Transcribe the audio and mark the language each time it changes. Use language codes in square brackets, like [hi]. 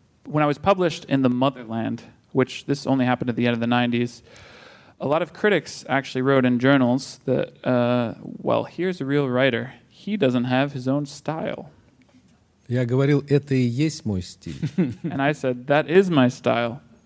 [en] When I was published in The Motherland, which this only happened at the end of the 90s, a lot of critics actually wrote in journals that, well, here's a real writer. He doesn't have his own style. [ru] Я говорил, это и есть мой стиль. [en] And I said, that is my style.